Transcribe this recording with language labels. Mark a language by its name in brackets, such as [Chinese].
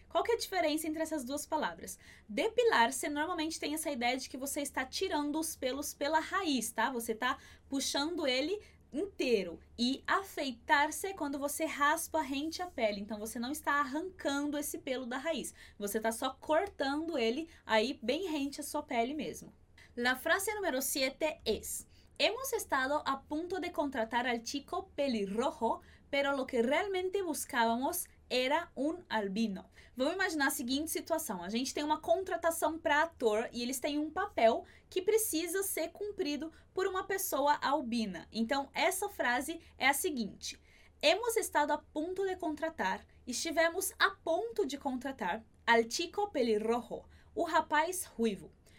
[Portuguese] Qual que é a diferença entre essas duas palavras? Depilar-se normalmente tem essa ideia de que você está tirando os pelos pela raiz, tá? Você está puxando ele inteiro. E afeitar-se é quando você raspa rente a pele. Então, você não está arrancando esse pelo da raiz. Você está só cortando ele aí bem rente a sua pele mesmo. [Spanish] La frase número 7 es... Hemos estado a punto de contratar al chico pelirrojo, pero lo que realmente buscábamos era un albino. [Portuguese] Vamos imaginar a seguinte situação. A gente tem uma contratação para ator e eles têm um papel que precisa ser cumprido por uma pessoa albina. Então, essa frase é a seguinte. [Spanish] Hemos estado a punto de contratar, [Portuguese] estivemos a ponto de contratar [Spanish] al chico pelirrojo, [Portuguese] o rapaz ruivo.